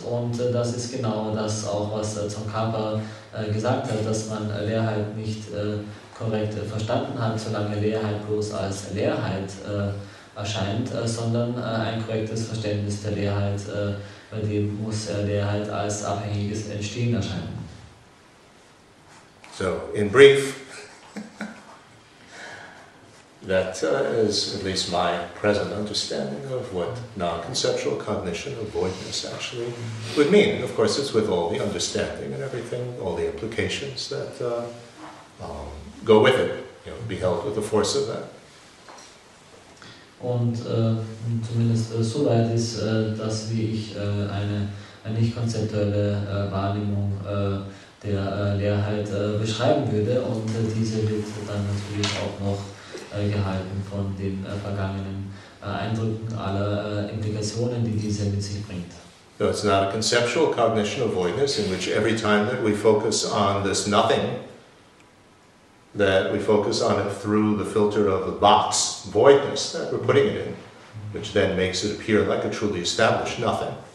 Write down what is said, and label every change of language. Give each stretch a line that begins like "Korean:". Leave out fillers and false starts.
German: Und das ist genau das auch, was Tsongkhapa gesagt hat, dass man Leerheit nicht korrekt verstanden hat, solange Leerheit bloß als Leerheit erscheint, sondern ein korrektes Verständnis der Leerheit bei dem muss der halt als abhängiges Entstehen erscheinen.
English: So, in brief, that is at least my present understanding of what non-conceptual cognition of voidness actually would mean. Of course, it's with all the understanding and everything, all the implications that go with it, you know, be held with the force of that.
German: Und zumindest so weit ist das, wie ich eine nicht-konzeptuelle Wahrnehmung der Leerheit beschreiben würde. Und diese wird dann natürlich auch noch gehalten von den vergangenen Eindrücken aller Implikationen, die diese mit sich bringt.
English: So it's not a conceptual cognition of voidness, in which every time that we focus on this nothing, that we focus on it through the filter of the box voidness that we're putting it in, which then makes it appear like a truly established nothing.